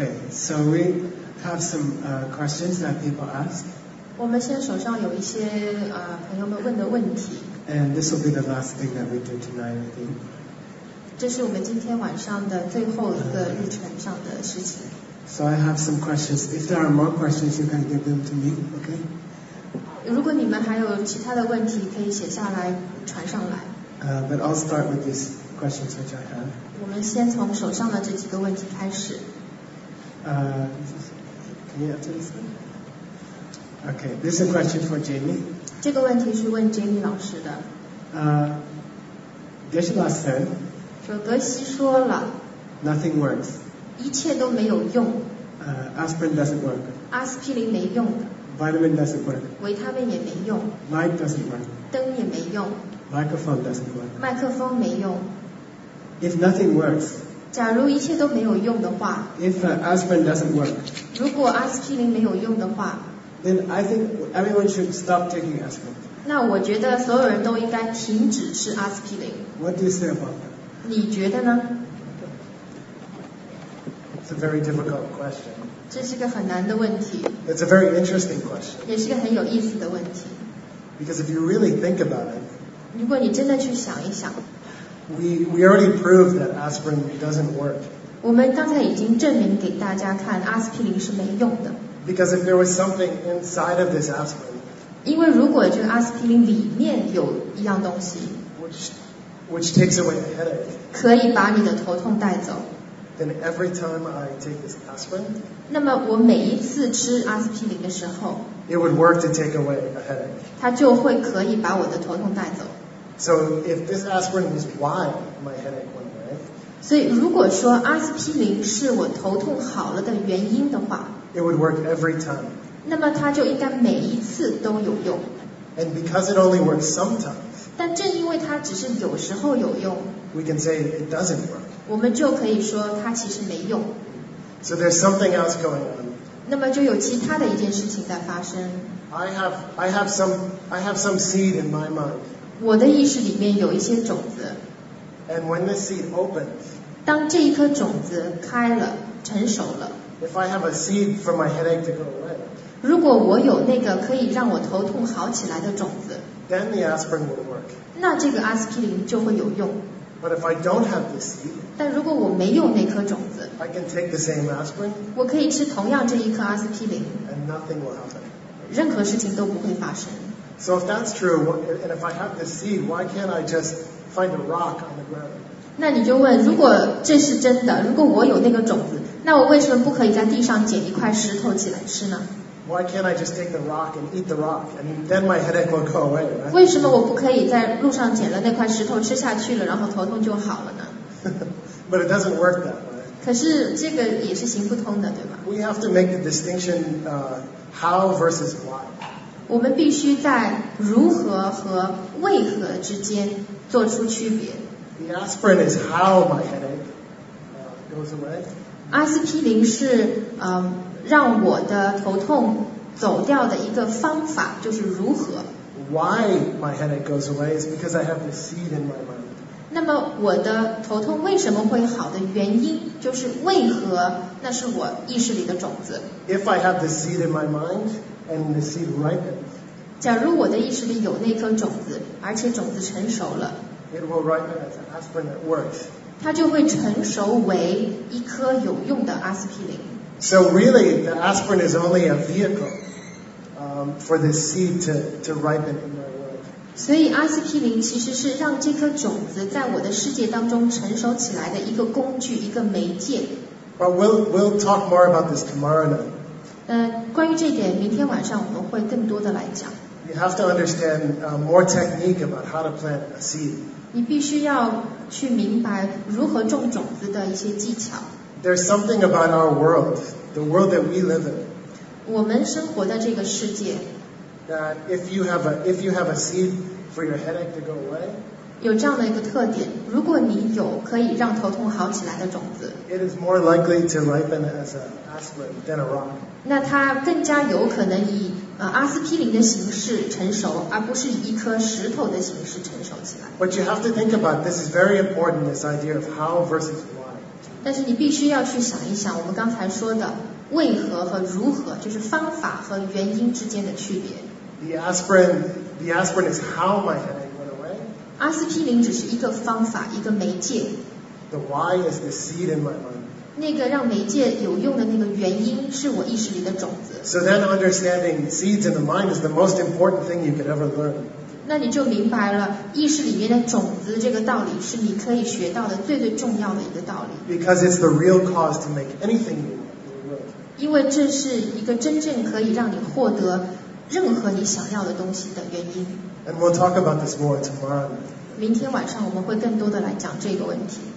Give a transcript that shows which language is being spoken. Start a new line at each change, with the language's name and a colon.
English: So we have some questions that people ask.
Chinese: 我们现在手上有一些朋友们问的问题。
English: And this will be the last thing that we do tonight, I think.
Chinese: 这是我们今天晚上的最后一个日程上的事情。
English: So I have some questions. If there are more questions, you can give them to me, okay?
Chinese: 如果你们还有其他的问题，可以写下来传上来。
English: But I'll start with these questions which I have.
Chinese: 我们先从手上的这几个问题开始。
English: Can you answer this one? Okay, this is a question for Jamie.
Chinese: 这个问题是问 Jamie 老师的。
English: Geshe-la said.
Chinese: 说格西说了。
English: Nothing works.
Chinese: 一切都没有用。
English: Aspirin doesn't work.
Chinese: 阿司匹林没用的。
English: Vitamin doesn't work.
Chinese: 维他命也没用。
English: Light doesn't work.
Chinese: 灯也没用。
English: Microphone doesn't work.
Chinese: 麦克风没用。
English: If nothing works.
Chinese: 假如一切都没有用的话
English: ，If aspirin doesn't work，
Chinese: 如果阿司匹林没有用的话
English: ，Then I think everyone should stop taking aspirin。
Chinese: 那我觉得所有人都应该停止吃阿司匹林。
English: What do you say about that？
Chinese: 你觉得呢
English: ？It's a very difficult question。
Chinese: 这是个很难的问题。
English: It's a very interesting question。
Chinese: 也是个很有意思的问题。
English: Because if you really think about it，
Chinese: 如果你真的去想一想。
English: We already proved that aspirin doesn't work.
Chinese: 我们刚才已经证明给大家看，阿司匹林是没用的。
English: Because if there was something inside of this aspirin,
Chinese: 因为如果这个阿司匹林里面有一样东西
English: which takes away a headache,
Chinese: 可以把你的头痛带走。
English: Then every time I take this aspirin,
Chinese: 那么我每一次吃阿司匹林的时候
English: it would work to take away a headache.
Chinese: 它就会可以把我的头痛带走。
English: So if this aspirin is why my headache went away,
Chinese: 所以如果说阿司匹林是我头痛好了的原因的话
English: it would work every time.
Chinese: 那么它就应该每一次都有用。
English: And because it only works sometimes,
Chinese: 但正因为它只是有时候有用
English: we can say it doesn't work.
Chinese: 我们就可以说它其实没用。
English: So there's something else going on.
Chinese: 那么就有其他的一件事情在发生。
English: I have some seed in my mind.
Chinese: 我的意识里面有一些种子。
English: And when the seed opens,
Chinese: 当这一颗种子开了，成熟了。
English: If I have a seed for my headache to go away,
Chinese: 如果我有那个可以让我头痛好起来的种子，
English: then the aspirin will work.
Chinese: 那这个阿司匹林就会有用。
English: But if I don't have the seed,
Chinese: 但如果我没有那颗种子，
English: I can take the same aspirin,
Chinese: 我可以吃同样这一颗阿司匹林，
English: and nothing will happen.
Chinese: 任何事情都不会发生。
English: So if that's true, and if I have this seed, why can't I just find a rock on the ground?
Chinese: 那你就问，如果这是真的，如果我有那个种子，那我为什么不可以在地上捡一块石头起来吃呢？
English: Why can't I just take the rock and eat the rock, and then my headache will go away, right?
Chinese: 为什么我不可以在路上捡了那块石头吃下去了，然后头痛就好了呢？
English: But it doesn't work that way.
Chinese: 可是这个也是行不通的，对吧？
English: We have to make the distinction, how versus why.
Chinese: 我们必须在如何和为何之间做出区别。
English: The aspirin is how my headache goes away.
Chinese: 阿司匹林是让我的头痛走掉的一个方法，就是如何。
English: Why my headache goes away is because I have the seed in my mind.
Chinese: 那么我的头痛为什么会好的原因就是为何那是我意识里的种子
English: If I have the seed in my mind and the seed ripens
Chinese: 假如我的意识里有那颗种子而且种子成熟了
English: It will ripen as an aspirin that works
Chinese: 它就会成熟为一颗有用的阿司匹林
English: So really the aspirin is only a vehicle、for the seed to ripen in my life
Chinese: 所以阿司匹林其实是让这颗种子在我的世界当中成熟起来的一个工具一个媒介
English: But we'll talk more about this tomorrow night.
Chinese: 关于这点，明天晚上我们会更多的来讲。
English: You have to understand more technique about how to plant a seed.
Chinese: 你必须要去明白如何种种子的一些技巧。
English: There's something about our world, the world that we live in.
Chinese: 我们生活的这个世界。
English: That if you have a seed for your headache to go away.
Chinese: 有这样的一个特点，如果你有可以让头痛好起来的种子
English: ，It is more likely to ripen as an aspirin than a rock.
Chinese: 那它更加有可能以阿司匹林的形式成熟，而不是以一颗石头的形式成熟起来。
English: But you have to think about this is very important. This idea of how versus why.
Chinese: 但是你必须要去想一想，我们刚才说的为何和如何，就是方法和原因之间的区别。
English: The aspirin is how my head.
Chinese: 阿司匹林只是一个方法，一个媒介。
English: The why is the seed in my mind.
Chinese: 那个让媒介有用的那个原因，是我意识里的种子。
English: So then understanding seeds in the mind is the most important thing you could ever learn.
Chinese: 那你就明白了，意识里面的种子这个道理是你可以学到的最最重要的一个道理。
English: Because it's the real cause to make anything you want.
Chinese: 因为这是一个真正可以让你获得任何你想要的东西的原因。
English: And we'll talk about this more tomorrow night.
Chinese: 明天晚上我们会更多的来讲这个问题。